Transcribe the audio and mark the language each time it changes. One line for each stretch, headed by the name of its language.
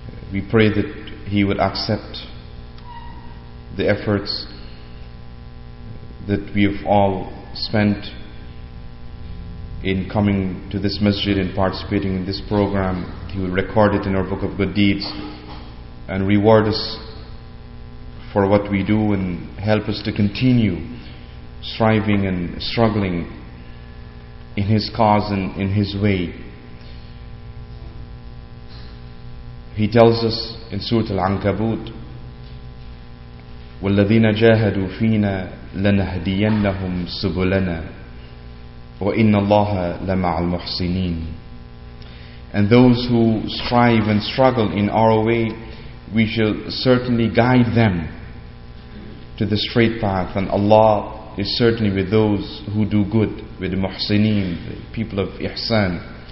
English: We pray that He would accept the efforts that we have all spent in coming to this masjid and participating in this program. He would record it in our book of good deeds and reward us for what we do, and help us to continue striving and struggling in His cause and in His way. He tells us in Surah Al-Ankabut,
Arabic: وَالَّذِينَ جَاهَدُوا فِينَا لَنَهْدِيَنَّهُمْ سُبُلَنَا وَإِنَّ اللَّهَ لَمَعَ الْمُحْسِنِينَ.
English: And those who strive and struggle in our way, we shall certainly guide them to the straight path, and Allah is certainly with those who do good, with the muhsineen, the people of ihsan.